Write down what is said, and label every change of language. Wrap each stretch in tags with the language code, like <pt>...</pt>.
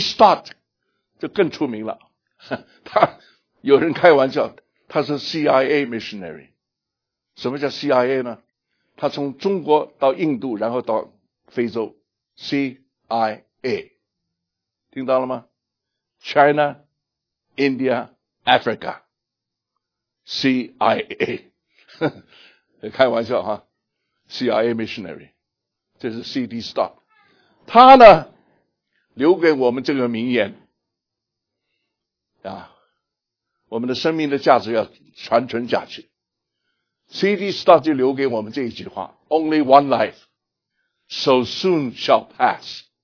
<zh>Stott 就更出名了，他有人开玩笑，他是 CIA missionary。什么叫 CIA 呢？他从中国到印度然后到非洲， CIA 听到了吗？ ChinaIndia, Africa, CIA, 开玩笑哈 ,CIA missionary, 这是 C.D. Stott, 他呢留给我们这个名言啊，我们的生命的价值要传承下去。 C.D.</zh> <en>Stott</en> <zh>就留给我们这一句话</zh> <en>,Only one life, so soon shall pass.</en>